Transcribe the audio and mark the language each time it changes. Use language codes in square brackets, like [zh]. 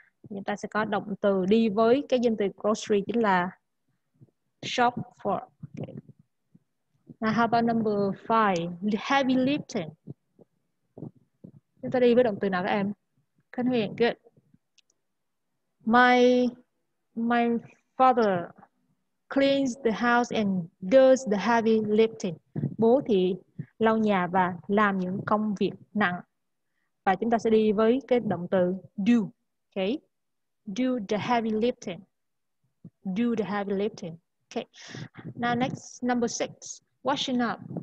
[vi] Chúng ta sẽ có động từ đi với cái danh từ grocery chính là shop for. [en] Now how about number five, heavy lifting. [vi] Chúng ta đi với động từ nào các em? Khánh Huyền, good. [en] My father cleans the house and does the heavy lifting. [vi] Bố thì lau nhà và làm những công việc nặng. Và chúng ta sẽ đi với cái động từ do. [en] Okay. Do the heavy lifting. Do the heavy lifting. Okay. Now next, number six. Washing up.